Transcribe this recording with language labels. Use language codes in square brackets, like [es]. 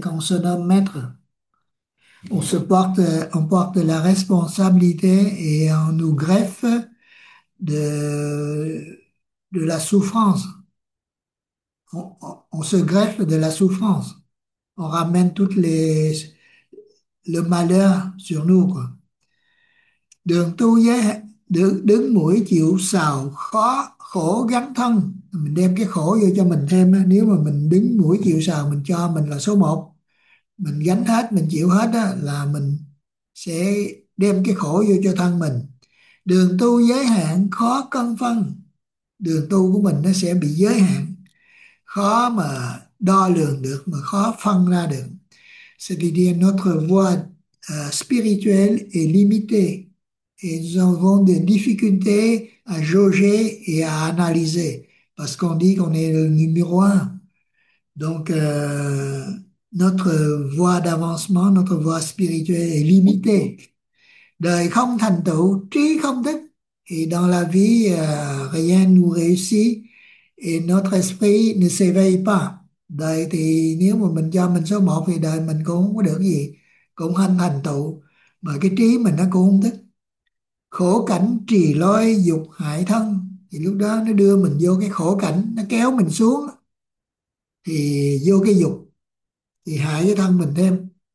[fr] Quand on se nomme maître, on porte la responsabilité et on nous greffe de la souffrance. On se greffe de la souffrance. On ramène toutes le malheur sur nous, quoi. [vi] Đường tu giác, đứng mũi chịu sào khó khổ gắn thân, mình đem cái khổ vô cho mình thêm á. Nếu mà mình đứng mũi chịu sào, mình cho mình là số 1, mình gánh hết, mình chịu hết á, là mình sẽ đem cái khổ vô cho thân mình. Đường tu giới hạn khó cân phân, đường tu của mình nó sẽ bị giới hạn, khó mà đo lường được, mà khó phân ra được. [fr] C'est-à-dire notre voie spirituelle est limitée. Et nous avons des difficultés à jauger et à analyser, parce qu'on dit qu'on est le numéro un. Donc, notre voie d'avancement, notre voie spirituelle est limitée. [vi] Đời không thành tựu, trí không thức. [fr] Et dans la vie, rien ne nous réussit et notre esprit ne s'éveille pas. [vi] Đời thì nếu mà mình cho mình số 1 thì đời mình cũng không có được gì, cũng không thành tựu, mà cái trí mình nó cũng không thức. Khổ cảnh trì lôi dục hại thân, thì lúc đó nó đưa mình vô cái khổ cảnh, nó kéo mình xuống thì vô cái dục thì hại cho thân mình thêm.